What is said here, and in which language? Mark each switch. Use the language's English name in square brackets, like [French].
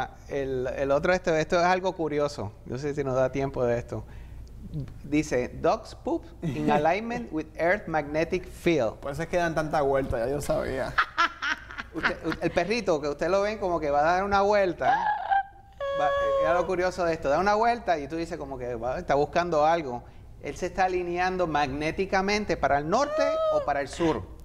[Spanish] El otro tema, esto es algo curioso. No sé si nos da tiempo de esto. Dice, [English] dog's poop in alignment with earth magnetic field. [Spanish] Por eso es que dan tanta vuelta, ya yo sabía. El perrito, que usted lo ven como que va a dar una vuelta. Mira lo curioso de esto. Da una vuelta y tú dices como que está buscando algo. Él se está alineando magnéticamente para el norte o para el sur.